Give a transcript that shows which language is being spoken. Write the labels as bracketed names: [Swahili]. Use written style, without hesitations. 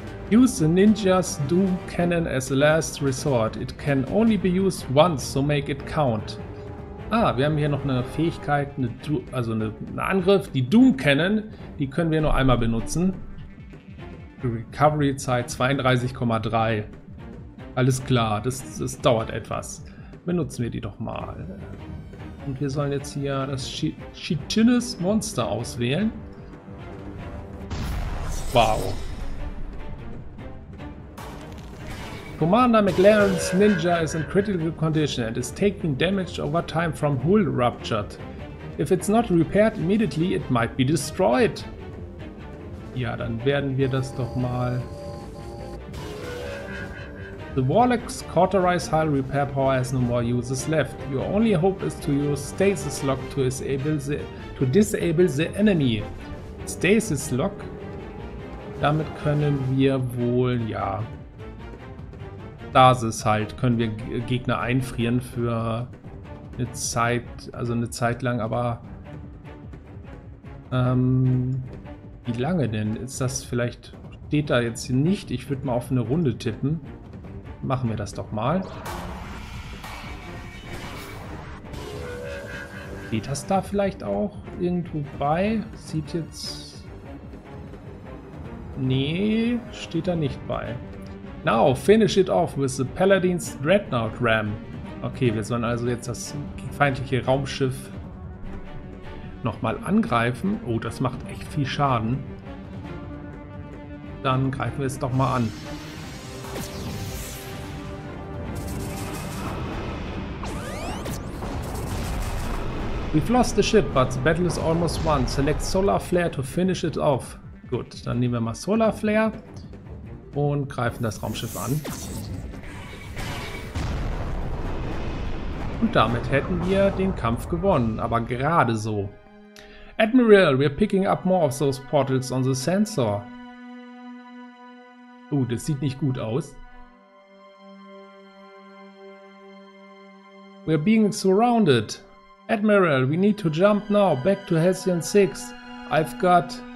[English] Use the Ninja's Doom Cannon as a last resort. It can only be used once, so make it count. [German] Ah, wir haben hier noch eine Fähigkeit, einen Angriff, die Doom Cannon. Die können wir nur einmal benutzen. Recovery-Zeit 32,3. Alles klar, das dauert etwas. Benutzen wir die doch mal. Und wir sollen jetzt hier das Chitinous Monster auswählen. Wow. [English] Commander McLaren's Ninja is in critical condition and is taking damage over time from hull ruptured. If it's not repaired immediately, it might be destroyed. Ja, dann werden wir das doch mal. The Warlock's cauterized hull repair power has no more uses left. Your only hope is to use stasis lock to disable the enemy. Stasis lock. [German] Damit können wir wohl, ja, Stasis halt, können wir Gegner einfrieren für eine Zeit, also eine Zeit lang, aber wie lange denn? Ist das vielleicht, steht da jetzt nicht? Ich würde mal auf eine Runde tippen. Machen wir das doch mal. Steht das da vielleicht auch irgendwo bei? Sieht jetzt, nee, steht da nicht bei. [English] Now, finish it off with the Paladin's Dreadnought Ram. [German] Okay, wir sollen also jetzt das feindliche Raumschiff nochmal angreifen. Oh, das macht echt viel Schaden. Dann greifen wir es doch mal an. [English] We've lost the ship, but the battle is almost won. Select Solar Flare to finish it off. [German] Gut, dann nehmen wir mal Solar Flare und greifen das Raumschiff an. Und damit hätten wir den Kampf gewonnen, aber gerade so. [English] Admiral, we're picking up more of those portals on the sensor. [German] Oh, das sieht nicht gut aus. [English] We're being surrounded. Admiral, we need to jump now back to Halcyon 6. I've got...